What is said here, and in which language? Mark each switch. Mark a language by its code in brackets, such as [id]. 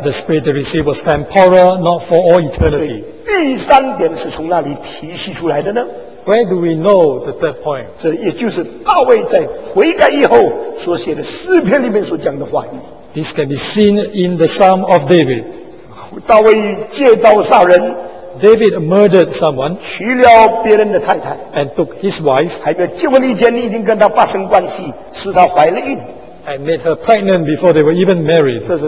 [en] the Spirit they received was temporal, not for all eternity. [zh] 第三点是从那里提示出来的呢? [en] Where do we know the third point? [zh] 这也就是大卫在悔改以后所写的诗篇里面所讲的话语。 [en] This can be seen in the Psalm of David. [zh] 大卫借刀杀人, [en] David murdered someone, [zh] 娶了别人的太太, [en] and took his wife, [zh] 还没有结婚以前已经跟他发生关系, 使他怀了孕, [en] and made her pregnant before they were even married.